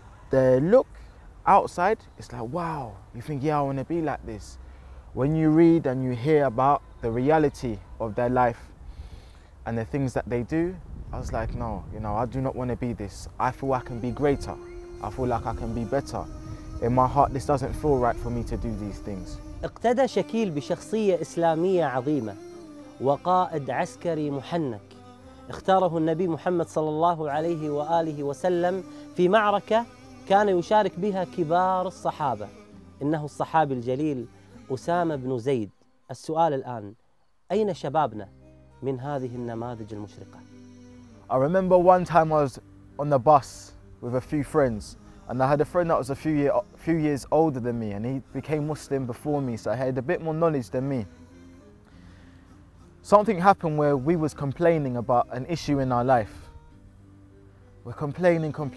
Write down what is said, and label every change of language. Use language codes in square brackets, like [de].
[en] The look outside, it's like, wow, you think, yeah, I want to be like this. When you read and you hear about the reality of their life and the things that they do, I was like, no, you know, I do not want to be this. I feel I can be greater. I feel like I can be better. In my heart, this doesn't feel right for me to do these things. [ar] اقتدى شكيل بشخصية إسلامية عظيمة وقائد عسكري محنك اختاره النبي محمد صلى الله عليه وآله وسلم في معركة كان يشارك بها كبار الصحابة. إنه الصحابي الجليل أسامة بن زيد. السؤال الآن، أين شبابنا من هذه النماذج المشرقة؟ [en] I remember one time I was on the bus with a few friends. And I had a friend that was a few years older than me, and he became Muslim before me, so I had a bit more knowledge than me. Something happened where we was complaining about an issue in our life. We're complaining.